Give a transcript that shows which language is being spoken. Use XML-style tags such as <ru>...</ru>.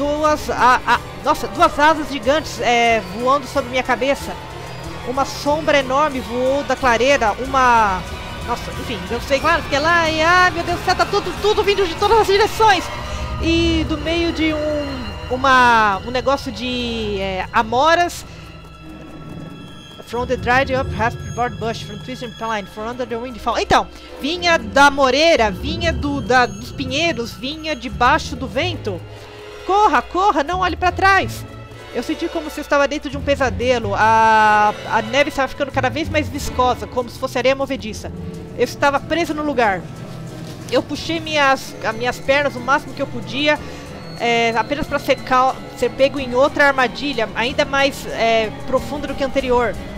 <pt>Duas asas gigantes voando sobre minha cabeça. Uma sombra enorme voou da clareira, Nossa, enfim, eu sei, claro, fiquei lá e... Ah, meu Deus do céu, tá tudo vindo de todas as direções! E do meio de um negócio de amoras...</pt> <en>From the dried up raspberry bush, from twisted pine, from under the windfall...</en> <pt>Então, vinha da moreira, vinha dos pinheiros, vinha debaixo do vento. Corra, corra, não olhe pra trás! Eu senti como se eu estava dentro de um pesadelo. A neve estava ficando cada vez mais viscosa, como se fosse areia movediça. Eu estava preso no lugar. Eu puxei as minhas pernas o máximo que eu podia, apenas para ser pego em outra armadilha, ainda mais profunda do que a anterior.</pt>